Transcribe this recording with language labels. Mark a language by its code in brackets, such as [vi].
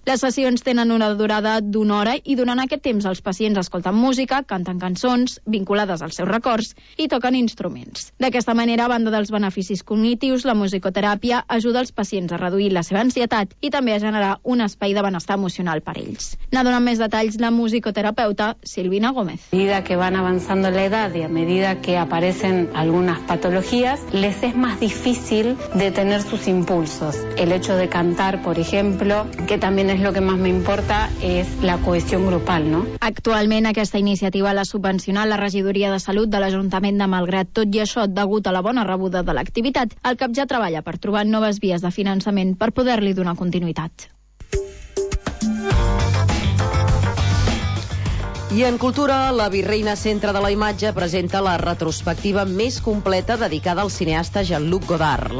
[ca] Les sessions tenen una durada d'una hora i durant aquest temps els pacients escolten música, canten cançons vinculades als seus records i toquen instruments. D'aquesta manera, a banda dels beneficis cognitius, la musicoteràpia ajuda els pacients a reduir la seva ansietat i també a generar un espai de benestar emocional per ells. N'ha donat més detalls la musicoterapeuta Silvina Gómez. [es] A medida que van avanzando la edad y a medida que aparecen algunas patologías, les es más difícil detener sus impulsos. El hecho de cantar, por ejemplo, que también es lo que más me importa, es la cohesión grupal, ¿no? [ca] Actualment aquesta iniciativa la subvenciona la Regidoria de Salut de l'Ajuntament de Malgrat. Tot i això, degut a la bona rebuda de l'activitat, el CAP ja treballa per trobar noves vies de finançament per poder-li donar continuïtat. I en cultura, la Virreina Centre de la Imatge presenta la retrospectiva més completa dedicada al cineasta Jean-Luc Godard.